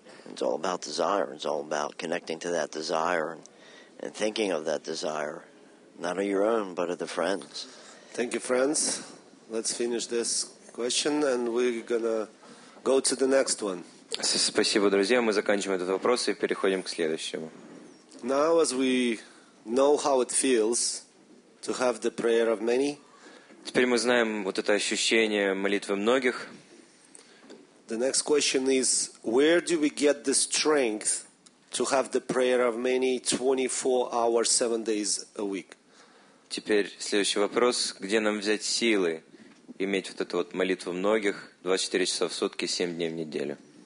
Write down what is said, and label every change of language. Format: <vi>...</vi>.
<en>It's all about desire. It's all about connecting to that desire and thinking of that desire, not of your own, but of the friends. Thank you, friends. Let's finish this question, and we're going to go to the next one.</en> <ru>Спасибо, друзья. Мы заканчиваем этот вопрос и переходим к следующему.</ru> <en>Now, as we know how it feels to have the prayer of many,</en> <ru>теперь мы знаем вот это ощущение молитвы многих.</ru> <en>The next question is, where do we get the strength to have the prayer of many 24 hours, 7 days a week?</en> <ru>Теперь следующий вопрос, где нам взять силы иметь вот эту вот молитву многих 24 часа в сутки, 7 дней в неделю?</ru>